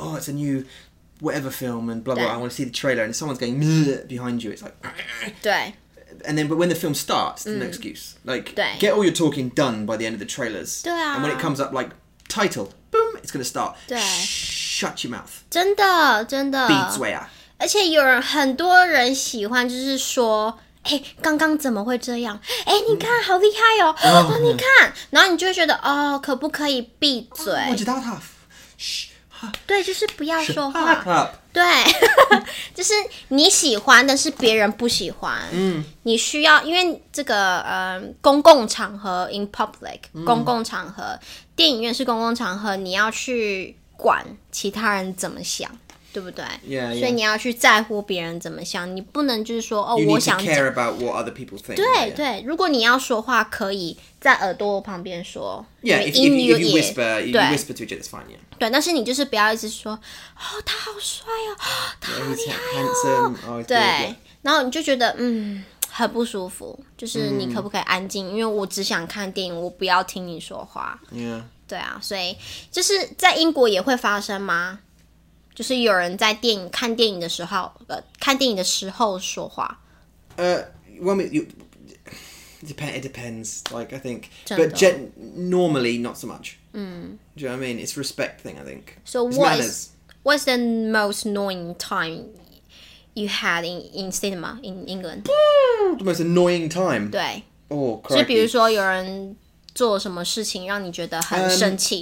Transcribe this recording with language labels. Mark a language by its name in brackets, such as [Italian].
[English] Oh, it's a new whatever film and blah blah. I want to see the trailer and someone's going behind you. It's like, [Chinese] 对 [English] and then but when the film starts,、嗯、no excuse. Like, [Chinese] 对 [English] get all your talking done by the end of the trailers. [Chinese] 对啊 [English] and when it comes up like title, boom, it's gonna start. [Chinese] 对 [English] shut your mouth. [Chinese] 真的真的闭嘴啊而且有人很多人喜欢就是说哎、欸，刚刚怎么会这样？哎、欸，你看、嗯、好厉害哦！哦，你看，然后你就会觉得哦，可不可以闭嘴？我知道他，嘘，对，就是不要说话。 [English] Shut up. [Chinese] 对，就是你喜欢，但是别人不喜欢。嗯，你需要，因为这个公共场合 [English] in public、 [Chinese] 嗯、公共场合，电影院是公共场合，你要去管其他人怎么想。对不对 [English] yeah, yeah. [Chinese] 所以你要去在乎别人怎么想你不能就是说、哦、 [English] you need [Chinese] 我想 [English] to care about what other people think [Chinese] 对 [English] yeah, yeah. [Chinese] 对如果你要说话可以在耳朵旁边说 [English] yeah, if you whisper, you whisper to each other, it's fine、yeah. [Chinese] 对但是你就是不要一直说、哦、他好帅哦他好厉害哦 [English] yeah, he's handsome. Oh, he's [Chinese] 对 [English] good,、yeah. [Chinese] 然后你就觉得嗯很不舒服就是你可不可以安静、mm. 因为我只想看电影我不要听你说话、 [English] yeah. [Chinese] 对啊所以就是在英国也会发生吗就是有人在电影看电影的时候，看电影的时候说话。 [English] It depends. Like I think, but normally not so much. [Chinese] 嗯 [English] ，Do you know what I mean? It's respect thing. I think. So what's the most annoying time you had in cinema in England? The most annoying time. [Chinese] 对。 [English] Oh, crikey. [Chinese] 就比如说有人做什么事情让你觉得很生气